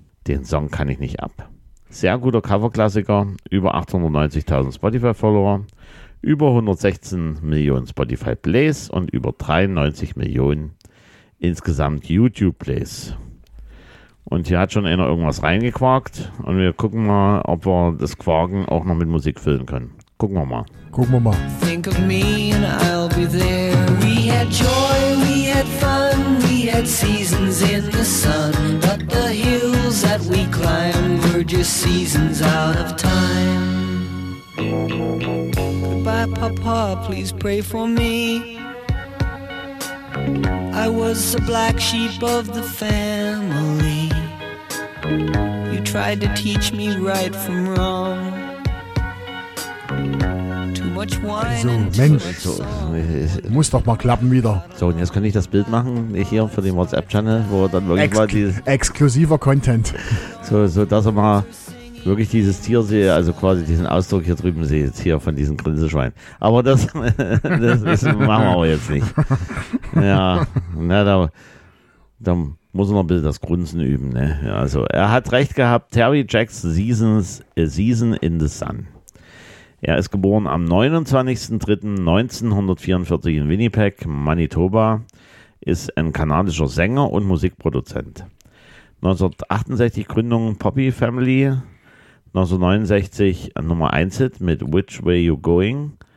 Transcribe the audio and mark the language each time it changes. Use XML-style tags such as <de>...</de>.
<de>Den Song kann ich nicht ab. Sehr guter Coverklassiker, über 890.000 Spotify-Follower, über 116 Millionen Spotify-Plays und über 93 Millionen insgesamt YouTube-Plays. Und hier hat schon einer irgendwas reingequarkt und wir gucken mal, ob wir das Quaken auch noch mit Musik füllen können. Gucken wir mal.</de> <en>Think of me and I'll be there. We had joy, we had fun, we had seasons in the sun. But the hills that we climbed were just seasons out of time. goodbye, Papa, please pray for me. I was the black sheep of the family. You tried to teach me right from wrong. Too much wine.</en> <de>So, Mensch, so, muss doch mal klappen wieder. So, und jetzt könnte ich das Bild machen, hier für den WhatsApp-Channel, wo dann wirklich mal die exklusiver Content. So, dass er mal wirklich dieses Tier sehe, also quasi diesen Ausdruck hier drüben sehe, jetzt hier von diesem Grinseschwein. Aber das machen wir auch jetzt nicht. Ja, na, da muss man ein bisschen das Grunzen üben, ne? Ja, also, er hat recht gehabt. Terry Jacks Season in the Sun. Er ist geboren am 29.03.1944 in Winnipeg, Manitoba, ist ein kanadischer Sänger und Musikproduzent. 1968 Gründung Poppy Family. 1969 Nummer 1 Hit mit Which Way You Going?</de>